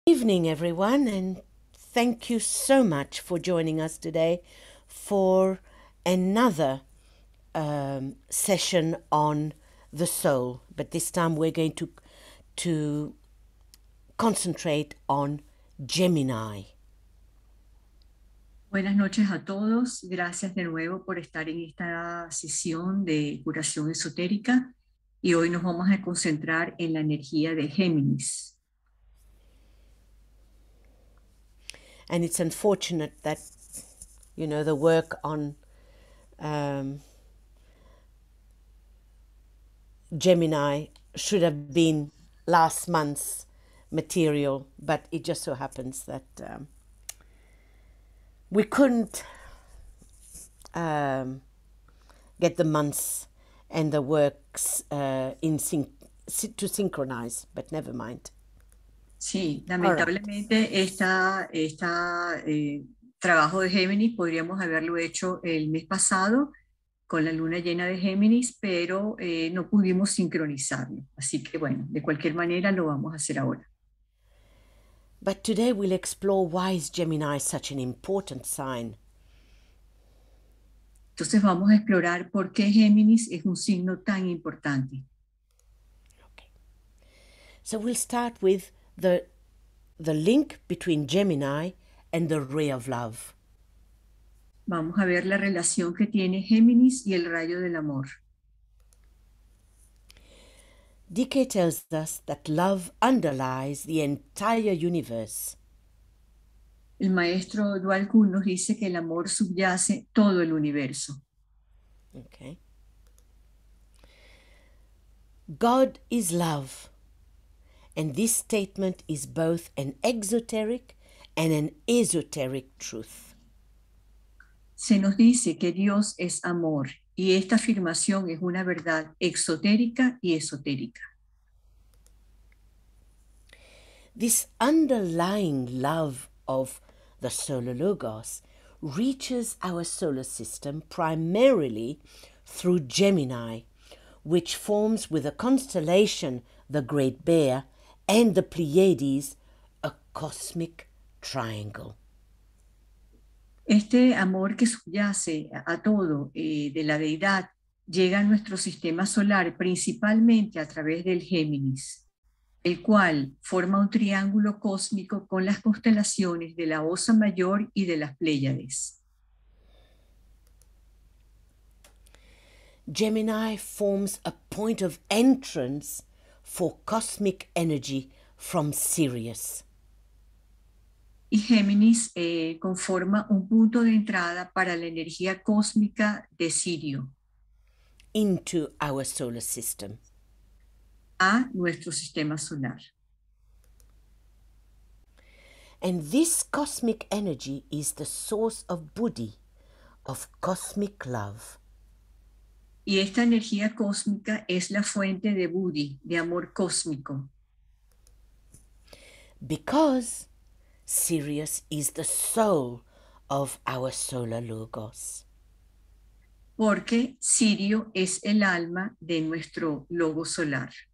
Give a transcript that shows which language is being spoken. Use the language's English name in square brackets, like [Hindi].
[English] evening, everyone, and thank you so much for joining us today for another session on the soul. But this time we're going to concentrate on Gemini. [Spanish] Buenas noches a todos. Gracias de nuevo por estar en esta sesión de curación esotérica. Y hoy nos vamos a concentrar en la energía de Géminis. [English] And it's unfortunate that, you know, the work on Gemini should have been last month's material, but it just so happens that we couldn't get the months and the works in synchronize, but never mind. [Spanish] Sí, lamentablemente right. Trabajo de Géminis podríamos haberlo hecho el mes pasado con la luna llena de Géminis, pero no pudimos sincronizarlo. Así que bueno, de cualquier manera lo vamos a hacer ahora. [English] But today we'll explore why is Gemini such an important sign. [Spanish] Entonces vamos a explorar por qué Géminis es un signo tan importante. [English] Okay. So we'll start with the link between Gemini and the ray of love. [Spanish] Vamos a ver la relación que tiene Géminis y el rayo del amor. [English] DK tells us that love underlies the entire universe. [Spanish] El maestro dual nos dice que el amor subyace todo el universo. [English] Okay. God is love. And this statement is both an exoteric and an esoteric truth. [Spanish] Se nos dice que Dios es amor, y esta afirmación es una verdad exotérica y esotérica. [English] This underlying love of the solar logos reaches our solar system primarily through Gemini, which forms with a constellation, the Great Bear, and the Pleiades, a cosmic triangle. [Spanish] Este amor que subyace a todo de la deidad llega a nuestro sistema solar principalmente a través del Géminis, el cual forma un triángulo cósmico con las constelaciones de la Osa Mayor y de las Pléyades. [English] Gemini forms a point of entrance for cosmic energy from Sirius. [Spanish] Y Géminis conforma un punto de entrada para la energía cósmica de Sirio. [English] Into our solar system. [Spanish] A nuestro sistema solar. [English] And this cosmic energy is the source of Buddhi, of cosmic love. [Spanish] Y esta energía cósmica es la fuente de Buddhi, de amor cósmico. [English] Because Sirius is the soul of our solar logos. [Spanish] Porque Sirio es el alma de nuestro logo solar.